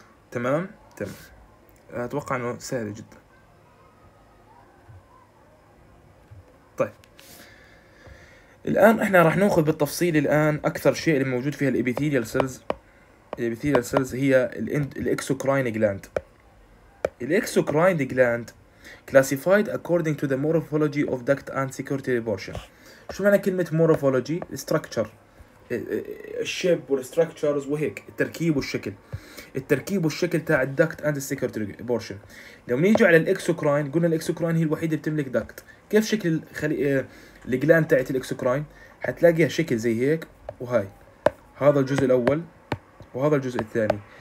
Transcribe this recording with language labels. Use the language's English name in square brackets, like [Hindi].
[Arabic] تمام تمام اتوقع انه سهل جدا. طيب الان احنا راح ناخذ بالتفصيل الان اكثر شيء اللي موجود فيها الابيثيليال سيلز. الابيثيليال سيلز هي الاكسوكراين جلاند. [English] الاكسوكراين gland classified according to the morphology of duct and secretory portion. [Arabic] شو معنى كلمة morphology؟ structure الشيب والstructures وهيك التركيب والشكل. التركيب والشكل تاع الدكت [English] and secretory portion. [Arabic] لو نيجي على الاكسوكراين قلنا الاكسوكراين هي الوحيدة بتملك دكت. كيف شكل الجلان تاعت الاكسوكراين؟ حتلاقيها شكل زي هيك وهاي هذا الجزء الأول وهذا الجزء الثاني.